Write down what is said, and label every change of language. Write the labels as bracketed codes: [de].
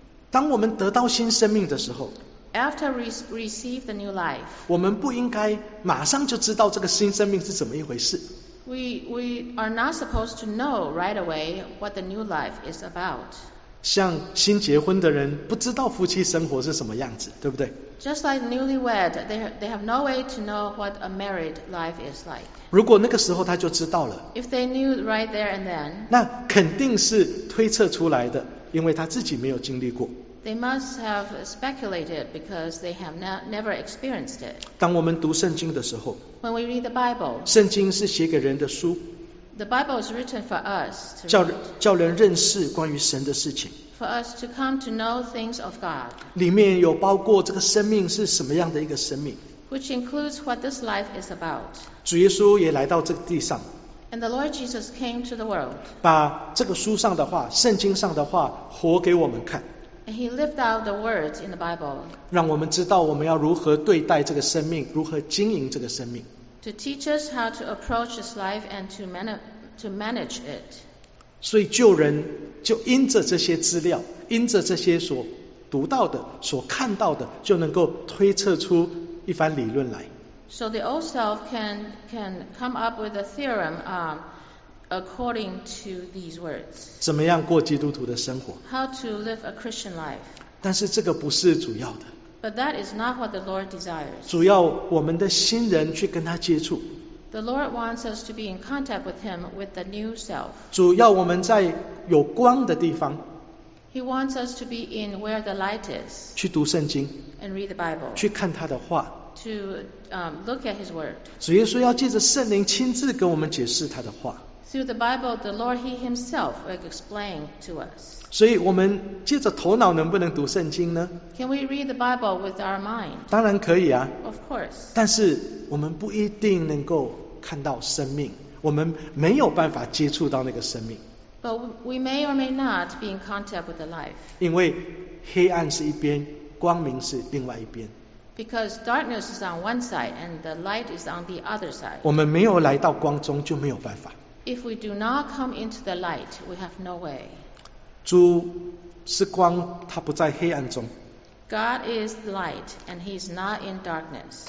[zh] 当我们得到新生命的时候。 [en] After we receive the new life. [zh] 我们不应该马上就知道这个新生命是怎么一回事。 [en] We are not supposed to know right away what the new life is about. [zh] 像新结婚的人不知道夫妻生活是什么样子，对不对？ [en] Just like newlywed, they have no way to know what a married life is like. [zh] 如果那个时候他就知道了， [en] If they knew right there and then, [zh] 那肯定是推测出来的，因为他自己没有经历过。 [en] They must have speculated because they have never experienced it. [zh] 当我们读圣经的时候， [en] When we read the Bible, [zh] 圣经是写给人的书。 [en] The Bible is written for us to read. [zh] 叫人认识关于神的事情。 [en] For us to come to know things of God. [zh] 里面有包括这个生命是什么样的一个生命。 [en] which includes what this life is about. [zh] 主耶稣也来到这个地上。 [en] And the Lord Jesus came to the world. [zh] 把这个书上的话，圣经上的话，活给我们看。 [en] And he lived out the words in the Bible. [zh] 让我们知道我们要如何对待这个生命，如何经营这个生命。 [en] To teach us how to approach this life and to manage it. [zh] 所以救人就因着这些资料，因着这些所读到的，所看到的，就能够推测出一番理论来。 [en] So the old self can come up with a theorem, according to these words. [zh] 怎么样过基督徒的生活 [en] ？How to live a Christian life? [zh] 但是这个不是主要的。 [en] But that is not what the Lord desires. [zh] 主要我们的新人去跟他接触。 [en] The Lord wants us to be in contact with Him with the new self. [zh] 主要我们在有光的地方。 [en] He wants us to be in where the light is. [zh] 去读圣经。 [en] And read the Bible. [zh] 去看他的话。 [en] To look at His word. [zh] 主耶稣要借着圣灵亲自跟我们解释他的话。 [en] Through the Bible, the Lord He Himself will explain to us. [zh] 所以我们借着头脑能不能读圣经呢？ [en] Can we read the Bible with our mind? [zh] 当然可以啊。 [en] Of course. [zh] 但是我们不一定能够看到生命，我们没有办法接触到那个生命。 [en] But we may or may not be in contact with the life. [zh] 因为黑暗是一边，光明是另外一边。 [en] Because darkness is on one side and the light is on the other side. [zh] 我们没有来到光中就没有办法。 [en] If we do not come into the light, we have no way. [zh] 主是光，他不在黑暗中。 [en] God is light, and He is not in darkness.